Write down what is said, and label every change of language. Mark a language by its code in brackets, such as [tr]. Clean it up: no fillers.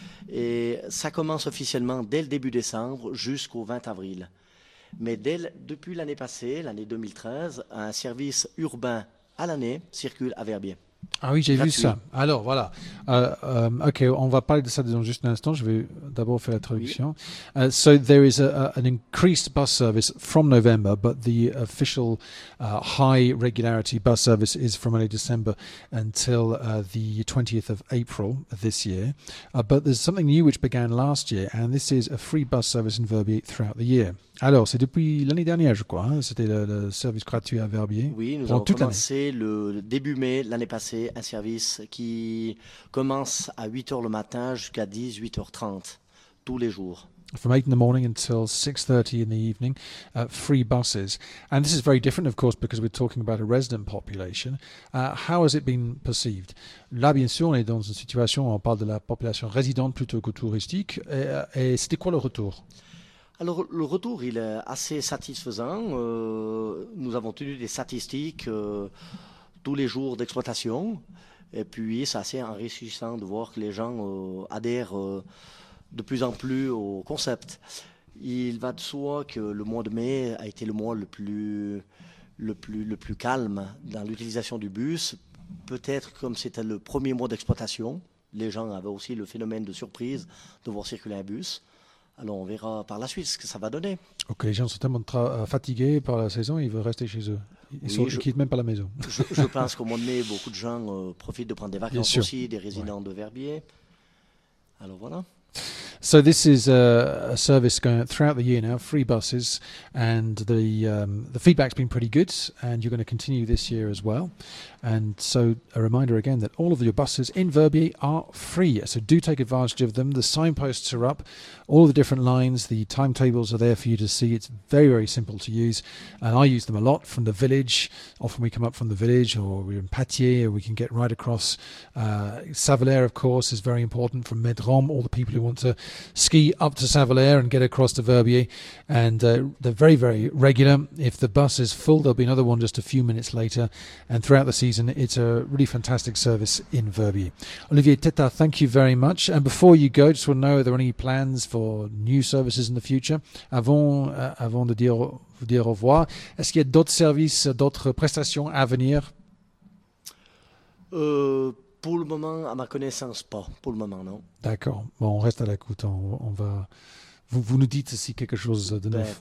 [fr] Et ça commence officiellement dès le début décembre jusqu'au 20 avril. Mais depuis l'année passée, l'année 2013, un service urbain à l'année circule à Verbier, Ah oui, j'ai vu ça. gratuit. Alors voilà. Ok, on va parler de ça dans juste un instant. Je vais d'abord faire la Oui. traduction. [en] So there is an increased bus service from November, but the official high regularity bus service is from early December until the 20th of April this year. But there's something new which began last year, and this is a free bus service in Verbier throughout the year. [fr] Alors, c'est depuis l'année dernière, je crois. Hein. C'était le service gratuit à Verbier Oui, nous pendant avons toute l'année. commencé le début mai l'année passée un service qui commence à 8 h le matin jusqu'à 18 h 30 tous les jours. [en] from 8 in the morning until 6:30 in the evening, free buses. And this is very different, of course, because we're talking about a resident population. How has it been perceived? [fr] Là, bien sûr, on est dans une situation où on parle de la population résidente plutôt que touristique. Et c'était quoi le retour? Alors, le retour, il est assez satisfaisant. Nous avons tenu des statistiques tous les jours d'exploitation. Et puis, c'est assez enrichissant de voir que les gens adhèrent de plus en plus au concept. Il va de soi que le mois de mai a été le mois le plus calme dans l'utilisation du bus. Peut-être comme c'était le premier mois d'exploitation, les gens avaient aussi le phénomène de surprise de voir circuler un bus. Alors on verra par la suite ce que ça va donner. Ok, les gens sont tellement fatigués par la saison, ils veulent rester chez eux. Ils quittent même pas la maison. Je pense qu'au mois de mai, beaucoup de gens profitent de prendre des vacances aussi, des résidents de Verbier. Alors voilà. [en] So this is a service going throughout the year now, free buses, and the feedback's been pretty good, and you're going to continue this year as well. And so a reminder again that all of your buses in Verbier are free, so do take advantage of them. The signposts are up, all the different lines, the timetables are there for you to see. It's very, very simple to use, and I use them a lot from the village. Often we come up from the village, or we're in Pâtier, or we can get right across. Savelaire, of course, is very important from Médrom, all the people who want to ski up to Savelaire and get across to Verbier, and they're very, very regular. If the bus is full, there'll be another one just a few minutes later, and throughout the season, it's a really fantastic service in Verbier. Olivier Teta, thank you very much. And before you go, just want to know, are there any plans for new services in the future? [fr] Avant de dire au revoir, est-ce qu'il y a d'autres services, d'autres prestations à venir? Pour le moment, à ma connaissance, pas. Pour le moment, non. D'accord. Bon, on reste à l'écoute. On va. Vous nous dites si quelque chose de neuf.